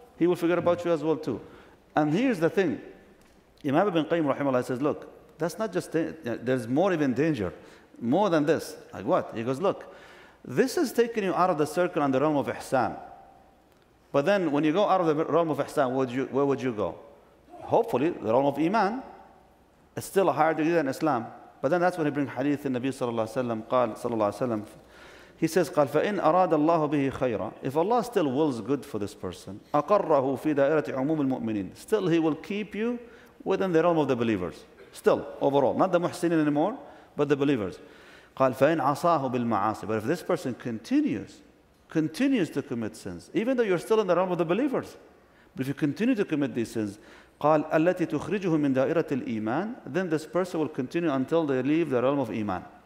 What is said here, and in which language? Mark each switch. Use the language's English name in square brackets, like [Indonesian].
[English] He will forget about you as well too. And here's the thing. Imam ibn Qayyim rahimahullah says, look, that's not just, there's more even danger, more than this. Like what? He goes, look, this is taking you out of the circle and the realm of ihsan. But then when you go out of the realm of ihsan, where would you go? Hopefully, the realm of iman is still a higher degree than Islam. But then that's when he brings hadith in Nabi sallallahu alayhi wa sallam. He says, [Arabic] قال, فَإِنْ أَرَادَ اللَّهُ بِهِ خَيْرًا. [English] If Allah still wills good for this person, [Arabic] أَقَرَّهُ فِي دَائِرَةِ عُمُومِ الْمُؤْمِنِينَ. [English] Still, he will keep you within the realm of the believers. Still, overall, not the muhsinin anymore, but the believers. [Arabic] قال, فَإِنْ عَصَاهُ بِالْمَعَاصِ. [English] But if this person continues to commit sins, even though you're still in the realm of the believers, but if you continue to commit these sins, [Arabic] قال, أَلَّتِي تُخْرِجُهُ مِنْ دَائِرَةِ الْإِيمَانِ, [English] then this person will continue until they leave the realm of iman.